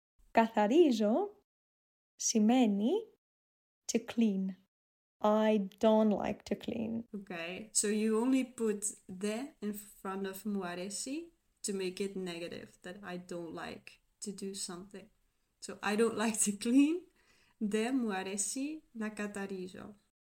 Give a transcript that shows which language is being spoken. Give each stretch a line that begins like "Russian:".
Greek: Καθαρίζω σημαίνει
English: to clean. I don't like to clean. Okay, so you only put the in front of
Greek: μου αρέσει
English: to make it negative, that I don't like to do something. So I don't like to clean.
Greek: Δεν μου αρέσει να καθαρίζω.